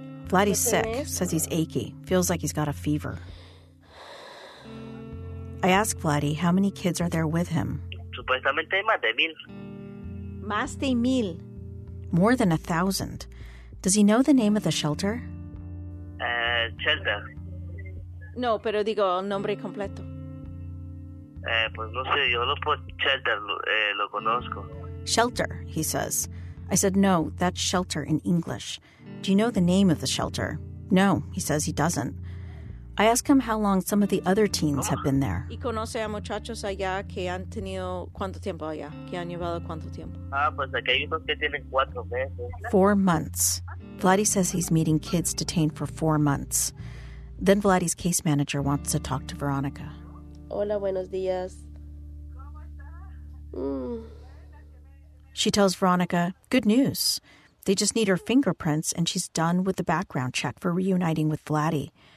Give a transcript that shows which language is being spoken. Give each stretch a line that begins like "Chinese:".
English: Vladdy's sick, says he's achy, feels like he's got a fever. I ask Vladdy how many kids are there with him.
Spanish: Supuestamente hay más de mil. Más de mil.
English: More than 1,000. Does he know the name of the shelter? Shelter.
Spanish: No, pero digo el nombre completo. Pues no sé, yo lo por shelter lo conozco.
English: Shelter, he says. I said, no, that's shelter in English. Do you know the name of the shelter? No, he says he doesn't. I ask him how long some of the other teens have been there.
Spanish: ¿Y conoce a muchachos allá que han tenido cuánto tiempo allá? ¿Que han llevado cuánto tiempo? Ah, pues aquí hay unos que tienen 4 meses.
English: 4 months. Vladdy says he's meeting kids detained for 4 months. Then Vladdy's case manager wants to talk to Veronica.
Spanish: Hola, buenos días. ¿Cómo está?
English: She tells Veronica, good news. They just need her fingerprints, and she's done with the background check for reuniting with Vladdy.